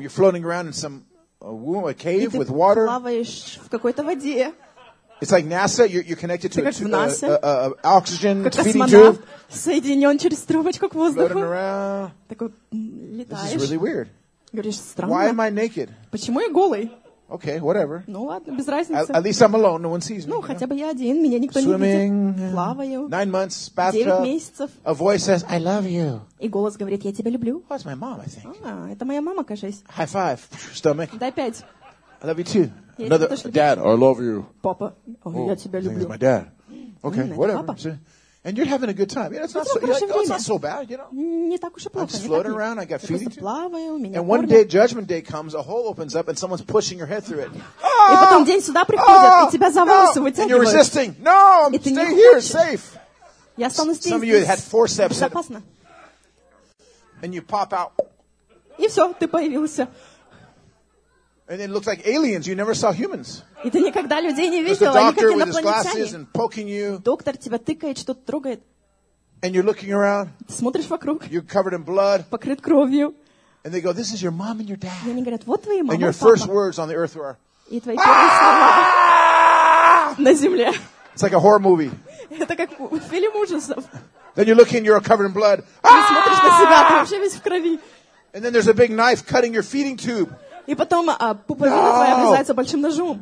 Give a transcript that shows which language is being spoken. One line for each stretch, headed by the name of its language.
English: You're floating around in some a cave with water.
Russian: И ты плаваешь в какой-то воде.
English: It's like NASA. You're connected to a oxygen feeding tube.
Russian: Соединен через трубочку к воздуху.
English: Floating around.
Russian: Такой летаешь.
English: This is really weird.
Russian: Говоришь, странно.
English: Why am I naked?
Russian: Почему я голый?
English: Okay, whatever.
Russian: Ну ладно, без разницы.
English: At least I'm alone. No one sees me.
Russian: Ну хотя бы я один. Меня никто
English: Swimming,
Russian: не видит. Плаваю.
English: 9 months. Bathtub.
Russian: 9 месяцев.
English: A voice says, "I love you."
Russian: И голос говорит, я тебя люблю.
English: Oh, it's my mom, I think.
Russian: Это моя мама, кажется.
English: High five. Stomach.
Russian: Дай пять.
English: I love you too.
Russian: Я
English: Another dad, I love you.
Russian: Папа, я тебя люблю.
English: He's my dad. Okay, whatever. And you're having a good time. Yeah, it's not so bad, you know. I'm just floating around. I got feeding you. And one day, judgment day comes. A hole opens up, and someone's pushing your head through it.
Russian: И потом день сюда приходит, и тебя за волосы вытягивают.
English: And you're resisting. No, stay here, safe.
Russian: Я останусь здесь.
English: Some of you had forceps.
Russian: Безопасно.
English: And you pop out.
Russian: И все, ты появился.
English: And it looked like aliens. You never saw humans.
Russian: И ты никогда людей не видел.
English: There's the doctor with his glasses and poking you.
Russian: Доктор тебя тыкает, что-то трогает.
English: And you're looking around.
Russian: Смотришь вокруг.
English: You're covered in blood.
Russian: Покрыт кровью.
English: And they go, "This is your mom and your dad."
Russian: И они говорят, вот твои мама и папа.
English: And your first words on the earth were.
Russian: И твои первые слова на земле.
English: It's like a horror movie.
Russian: Это как фильм ужасов.
English: Then you're looking, you're covered in blood.
Russian: Смотришь на себя, ты вообще весь в крови.
English: And then there's a big knife cutting your feeding tube.
Russian: И потом пуповина твоя оказывается большим ножом.